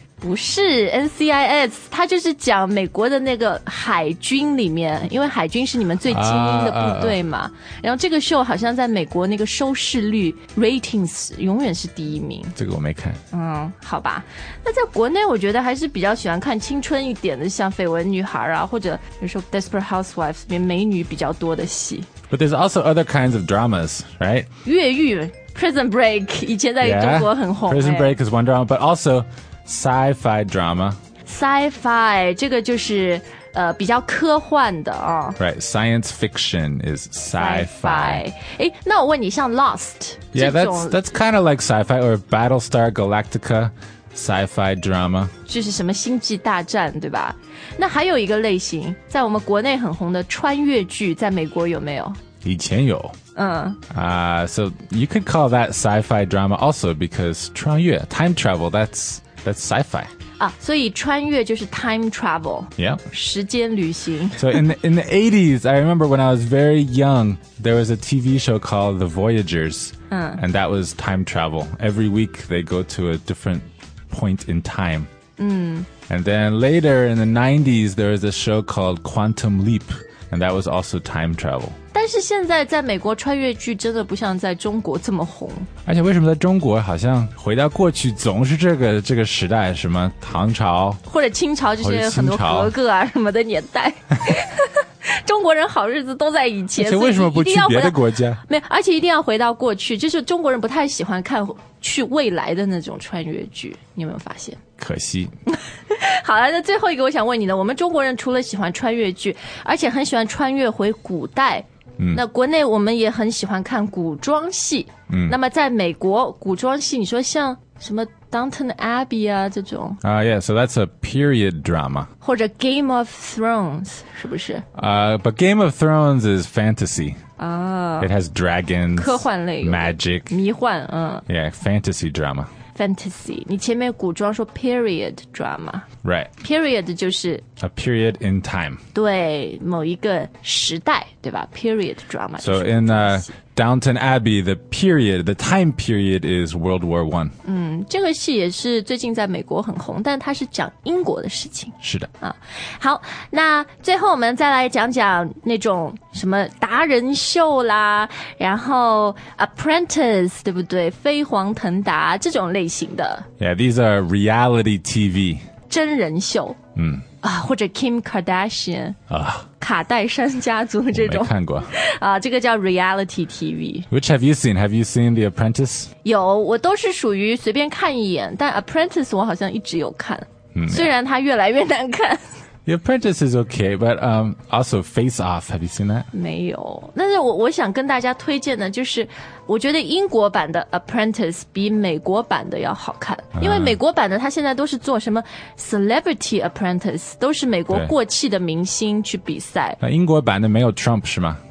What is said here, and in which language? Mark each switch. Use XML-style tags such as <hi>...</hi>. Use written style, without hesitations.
<zh>不是 NCIS 它就是讲美国的那个海军里面因为海军是你们最精英的部队嘛然后这个秀好像在美国那个收视率 ratings 永远是第一名这个我没看好吧那在国内我觉得还是比较喜欢看青春一点的像绯闻女孩啊或者比如说 Desperate Housewives 里面美女比较多的戏</zh> <en>But there's also other kinds of dramas, right?</en> <zh>越狱 Prison Break 以前在中国很红</zh> <en>Prison Break is one drama But also sci-fi drama</en> <zh>Sci-fi 这个就是比较科幻的、哦、</zh> <en>Right, science fiction is sci-fi</en> <zh>诶那我问你像 Lost</zh> <en>Yeah, that's kind of like sci-fi Or Battlestar Galactica Sci-fi drama</en> <zh>就是什么星际大战对吧那还有一个类型在我们国内很红的穿越剧在美国有没有以前有</zh> <en>So you could call that sci-fi drama also Because 穿越 time travel That's sci-fi</en> <zh>所以穿越就是 time travel</zh> <en>Yeah</en> <zh>时间旅行</zh> <en>So in the 80s I remember when I was very young There was a TV show called The Voyagers And that was time travel Every week they go to a different point in time And then later in the 90s There was a show called Quantum Leap And that was also time travel</en> <zh>但是现在在美国穿越剧真的不像在中国这么红而且为什么在中国好像回到过去总是这个时代什么唐朝或者清朝这些很多格格啊什么的年代中国人好日子都在以前而且为什么不去别的国家没有而且一定要回到过去就是中国人不太喜欢看去未来的那种穿越剧你有没有发现可惜好了那最后一个我想问你的我们中国人除了喜欢穿越剧而且很喜欢穿越回古代那国内我们也很喜欢看古装戏那么在美国古装戏你说像什么 Downton Abbey 啊这种</zh> <en>啊、yeah so that's a period drama</en> <zh>或者 Game of Thrones 是不是</zh> <en>But Game of Thrones is fantasy、 oh, It has dragons</en> <zh>科幻类</zh> <en>Magic</en> <zh>迷幻</zh> <en>Yeah fantasy drama</en> <zh>Fantasy 你前面古装说 period drama</zh> <en>Right</en> <zh>Period 就是</zh> <en>A period in time</en> <zh>对某一个时代对吧 Period drama</zh> <en>So in Downton Abbey The period The time period is World War I</en> <zh>这个戏也是最近在美国很红但它是讲英国的事情是的好那最后我们再来讲讲那种什么达人秀啦然后 Apprentice 对不对飞黄腾达这种类型的</zh> <en>Yeah, these are reality TV</en> <zh>真人秀或者 Kim Kardashian 卡戴珊家族这种我没看过这个叫 reality TV</zh> <en>Which have you seen? Have you seen The Apprentice?</en> <zh>有我都是属于随便看一眼但 Apprentice 我好像一直有看虽然它越来越难看</zh> <en>The Apprentice is okay but also Face Off Have you seen that?</en> <zh>没有但是 我想跟大家推荐的就是我觉得英国版的 Apprentice 比美国版的要好看因为美国版的他现在都是做什么 Celebrity Apprentice 都是美国过气的明星去比赛那英国版的没有 Trump 是吗</zh>